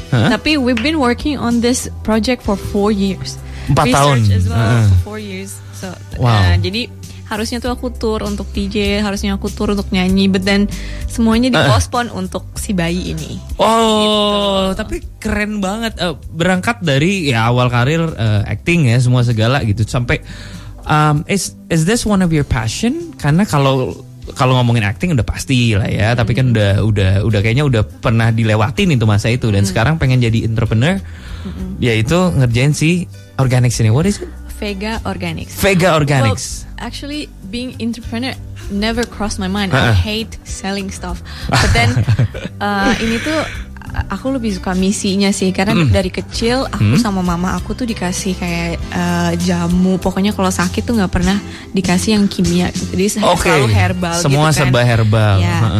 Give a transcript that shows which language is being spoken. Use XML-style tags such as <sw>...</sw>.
<en>Tapi we've been working on this project for 4 years. 4 Research</en> <id>tahun.</id> <en>Research as well for 4 years.</en> <id>So, jadi harusnya tuh aku tour untuk DJ, harusnya aku tour untuk nyanyi,</id> <en>but then</en> <id>semuanya dipostpone untuk si bayi ini. Oh, gitu. Tapi keren banget berangkat dari ya awal karir acting ya, semua segala gitu sampai</id> <en>is this one of your passion?</en> <id>Karena kalau ngomongin acting udah pasti lah ya, tapi kan udah kayaknya udah pernah dilewatin itu masa itu dan sekarang pengen jadi entrepreneur yaitu ngerjain si organic sini.</id> <en>What is it? Vega Organics. Vega Organics. Well, actually, being entrepreneur never crossed my mind. I hate selling stuff. But then,</en> <id>ini tuh aku lebih suka misinya sih. Karena dari kecil aku sama mama aku tuh dikasih kayak jamu. Pokoknya kalau sakit tuh nggak pernah dikasih yang kimia. Jadi selalu herbal. Semua gitu kan. Serba herbal. Ya.</id>